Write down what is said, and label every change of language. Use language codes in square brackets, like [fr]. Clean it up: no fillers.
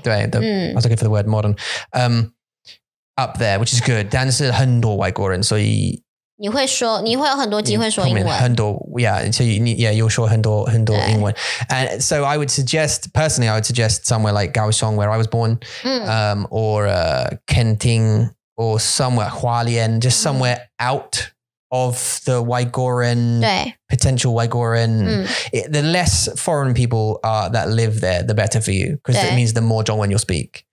[en] 对的，I was looking for the word modern, up there, which is good. [zh] 但是很多外国人，所以你会说，你会有很多机会说英文。很多 ，yeah， 所以你 yeah， 又说很多很多英文。 [en] And so I would suggest personally, I would suggest somewhere like Kaohsiung where I was born,、or Kenting or somewhere Hualien, just somewhere、out of the Uyghurin potential Uyghurin.、The less foreign people are that live there, the better for you, because it means the more Zhongwen you'll speak.